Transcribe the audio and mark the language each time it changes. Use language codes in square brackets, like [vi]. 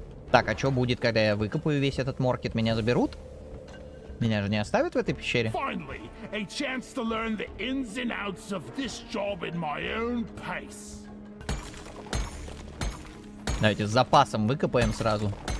[ru] Так, а что будет, когда я выкопаю весь этот моркет? Меня заберут? Меня же не оставят в этой пещере? [en] Finally, a chance to learn the ins and outs of this job in my own pace. [ru] Давайте с запасом выкопаем сразу.